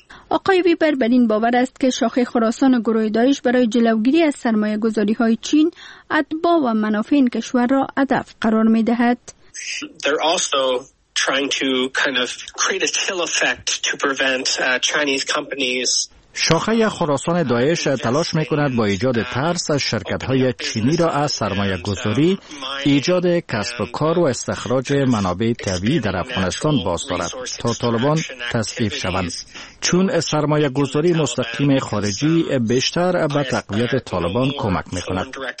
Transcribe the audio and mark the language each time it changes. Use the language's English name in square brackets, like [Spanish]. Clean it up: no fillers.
[Persian] آقای ویبر بر این باور است که شاخه خراسان گروه داعش برای جلوگیری از سرمایه گذاری های چین، اتباع و منافع این کشور را هدف قرار می دهد. [English] They're also trying to kind of create a chill effect to prevent Chinese companies. [Persian] شاخه خراسان داعش تلاش میکند با ایجاد ترس از شرکت های چینی را از سرمایه گذاری، ایجاد کسب و کار و استخراج منابع طبیعی در افغانستان باز دارد تا طالبان تصفیه شوند، چون سرمایه گذاری مستقیم خارجی بیشتر به تقویت طالبان کمک میکند.